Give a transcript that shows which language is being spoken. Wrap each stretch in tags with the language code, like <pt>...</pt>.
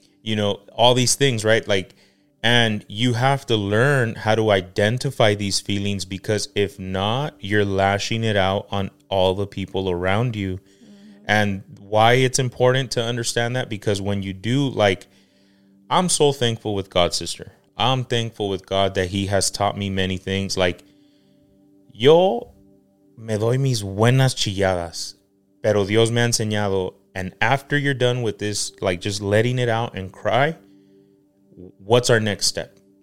<en>You know, all these things, right? Like, and you have to learn how to identify these feelings, because if not, you're lashing it out on all the people around you. Mm-hmm. And why it's important to understand that, because when you do, like, I'm so thankful with God, sister. I'm thankful with God that he has taught me many things.</en> <es>Like, yo me doy mis buenas chilladas, pero Dios me ha enseñado.</es> <en>And after you're done with this, like, just letting it out and cry, what's our next step?</en>